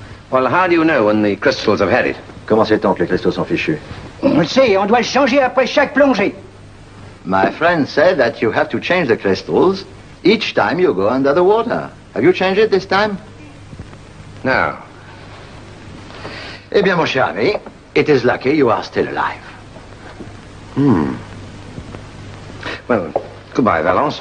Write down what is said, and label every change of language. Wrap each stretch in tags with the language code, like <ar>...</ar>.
<en>Well, how do you know when the crystals have had it?</en> <fr>Comment sait-on que les cristaux sont fichus? On le sait, on doit le changer après chaque plongée.</fr> <en>My friend said that you have to change the crystals each time you go under the water. Have you changed it this time? No.</en> <fr>Eh bien, mon cher ami,</fr> <en>it is lucky you are still alive. Hmm. Well, goodbye, Valence.</en>